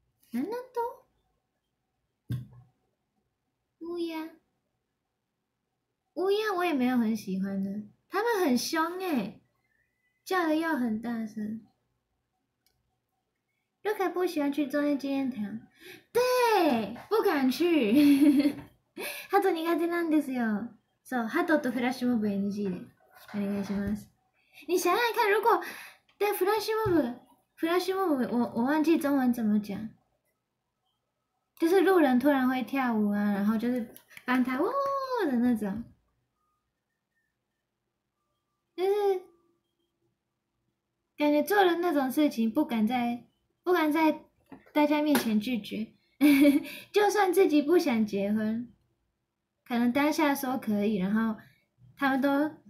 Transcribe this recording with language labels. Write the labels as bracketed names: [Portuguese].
[Chinese] 南南东，乌鸦，乌鸦我也没有很喜欢的，它们很凶哎，叫的又很大声。瑞卡不喜欢去中央纪念堂，对，不敢去。 [Japanese] ハト苦手なんですよ。そう、ハトとフラッシュモブ NG でお願いします。 [Chinese] 你想想看，如果对 flash mob， flash mob， 我忘记中文怎么讲，就是路人突然会跳舞啊，然后就是帮他呜的那种，就是感觉做了那种事情，不敢在大家面前拒绝，就算自己不想结婚，可能当下说可以，然后他们都。